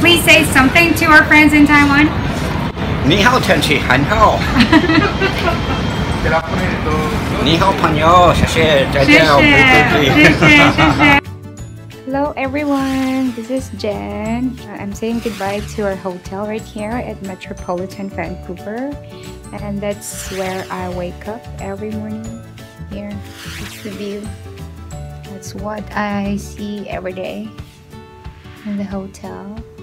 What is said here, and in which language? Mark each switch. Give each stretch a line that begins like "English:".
English: Please say something to our friends in Taiwan.
Chinese: 你好，天气很好. 你好，朋友，谢谢，再见，谢谢，谢谢，谢谢。
English: Hello everyone, this is Jen. I'm saying goodbye to our hotel right here at Metropolitan Vancouver. And that's where I wake up every morning. Here, it's the view. That's what I see every day in the hotel.